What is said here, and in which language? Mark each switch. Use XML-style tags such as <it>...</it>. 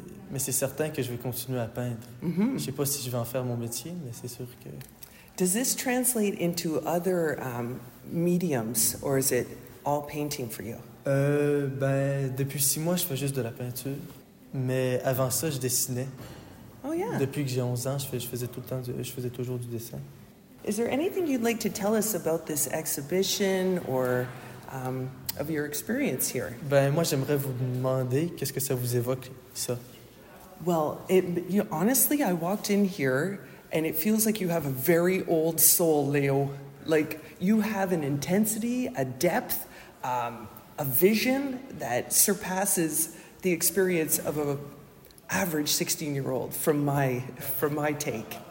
<fr>Mais c'est certain que je vais continuer à peindre. Je sais pas si je vais en faire mon métier, mais c'est sûr que...</fr> <en>Does this translate into other mediums, or is it all painting for you?</en> <fr>Depuis 6 mois, je fais juste de la peinture. Mais avant ça, je dessinais.</fr> <en>Oh, yeah.</en> <fr>Depuis que j'ai 11 ans, je faisais toujours du dessin.</fr> <en>Is there anything you'd like to tell us about this exhibition or of your experience here?</en> <fr>Moi, j'aimerais vous demander qu'est-ce que ça vous évoque, ça.</fr> <en>Well, honestly, I walked in here and it feels like you have a very old soul, Léo. Like, you have an intensity, a depth, a vision that surpasses the experience of an average 16-year-old, from my take.</en>